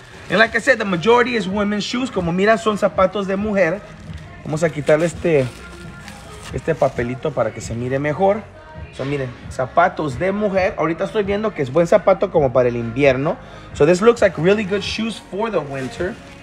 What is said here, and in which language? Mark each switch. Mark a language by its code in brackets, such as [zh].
[en] And like I said, the majority is women's shoes. [es] Como mira, son zapatos de mujer. Vamos a quitarle este papelito para que se mire mejor. So miren, zapatos de mujer. Ahorita estoy viendo que es buen zapato como para el invierno. [en] So this looks like really good shoes for the winter.